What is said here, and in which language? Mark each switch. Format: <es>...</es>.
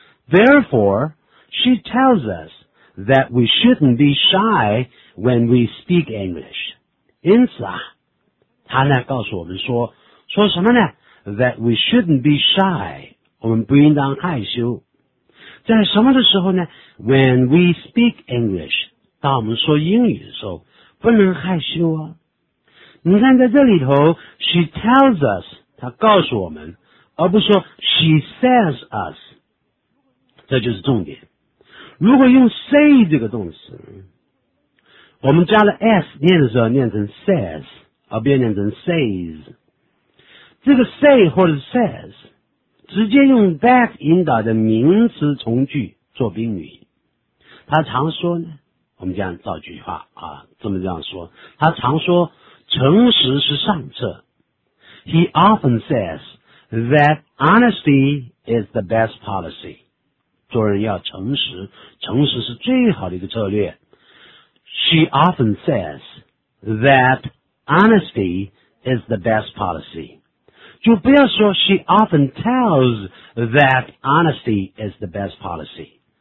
<en>Therefore, she tells us that we shouldn't be shy when we speak English.</en> <zh>因此啊，她呢告诉我们说，说什么呢？</zh> <en>That we shouldn't be shy,</en> <zh>我们不应当害羞。在什么的时候呢？</zh> <en>When we speak English,</en> <zh>当我们说英语的时候，不能害羞啊。你看在这里头</zh> <en>she tells us,</en> <zh>她告诉我们，而不是说</zh> <en>she says us,</en> <zh>这就是重点。如果用 say 这个动词，我们加了 s 念的时候念成 says, 而不要念成 says。这个 say 或者 says 直接用 that 引导的名词从句做宾语。他常说呢，我们这样造句话啊，这么这样说，他常说诚实是上策。</zh> <en>He often says that honesty is the best policy.</en> <zh>做人要诚实，诚实是最好的一个策略。</zh> <en>She often says that honesty is the best policy.</en> <zh>就不要说</zh> <en>She often tells that honesty is the best policy.</en>